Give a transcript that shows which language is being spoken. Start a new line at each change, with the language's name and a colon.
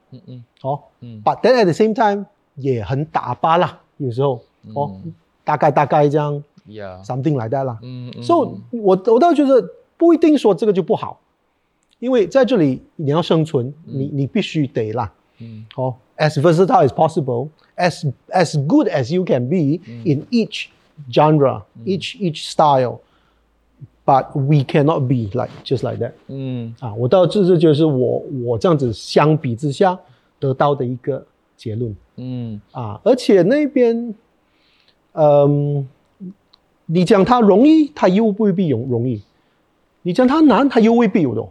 English: 嗯嗯，哦，嗯， but then at the same time
Chinese: 也很打巴啦，有时候、嗯、哦，大概这样
English: ，yeah， something like that 啦，嗯嗯
Chinese: ，so 我倒觉得不一定说这个就不好，因为在这里你要生存，嗯、你必须得啦，嗯，
English: 哦 ，as versatile as possible， as good as you can be、嗯、in each genre，、嗯、each style。 But we cannot be like just like that. 嗯
Chinese: 啊，我到这次就是我这样子相比之下得到的一个结论。嗯啊，而且那边，嗯，你讲它容易，它又未必容易；你讲它难，它又未必有的。